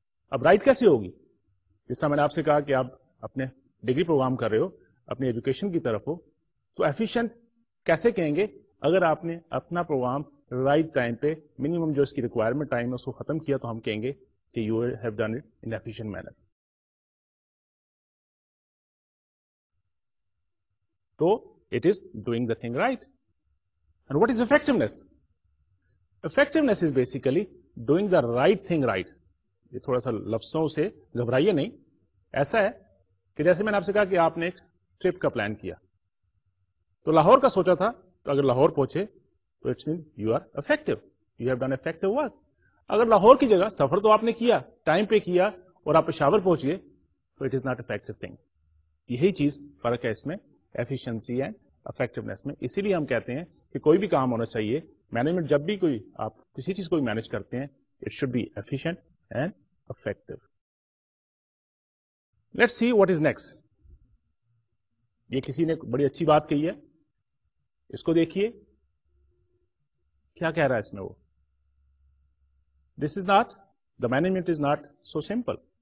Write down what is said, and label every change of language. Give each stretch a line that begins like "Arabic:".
Urdu: اب رائٹ کیسے ہوگی؟ جس طرح میں نے آپ سے کہا کہ آپ اپنے ڈگری پروگرام کر رہے ہو, اپنی ایجوکیشن کی طرف ہو, تو ایفیشنٹ کیسے کہیں گے اگر آپ نے اپنا پروگرام رائٹ ٹائم پہ, منیمم جو اس کی ریکوائرمنٹ ٹائم ہے, اس کو ختم کیا, تو ہم کہیں گے کہ
English: You have done it in efficient manner. تو it is doing the thing right. And what is effectiveness? Effectiveness is basically doing the right thing right.
Urdu: یہ تھوڑا سا لفظوں سے گھبرائیے نہیں. ایسا ہے کہ جیسے میں نے آپ سے کہا کہ آپ نے ایک ٹرپ کا پلان کیا, تو لاہور کا سوچا تھا, تو اگر لاہور پہنچے تو
English: It's mean you are effective, you have done effective work.
Urdu: اگر لاہور کی جگہ سفر تو آپ نے کیا, ٹائم پہ کیا اور آپ پشاور پہنچے, تو
English: It is not effective thing.
Urdu: یہی چیز فرق ہے اس میں ایفیشنسی اینڈ افیکٹونیس میں. اسی لیے ہم کہتے ہیں کہ کوئی بھی کام ہونا چاہیے, مینجمنٹ جب بھی کوئی آپ کسی چیز کو مینج کرتے ہیں,
English: It should be efficient and effective. Let see what is next.
Urdu: یہ کسی نے بڑی اچھی بات کہی ہے, اس کو دیکھیے کیا کہہ رہا ہے اس میں وہ.
English: This is not the management is not so simple.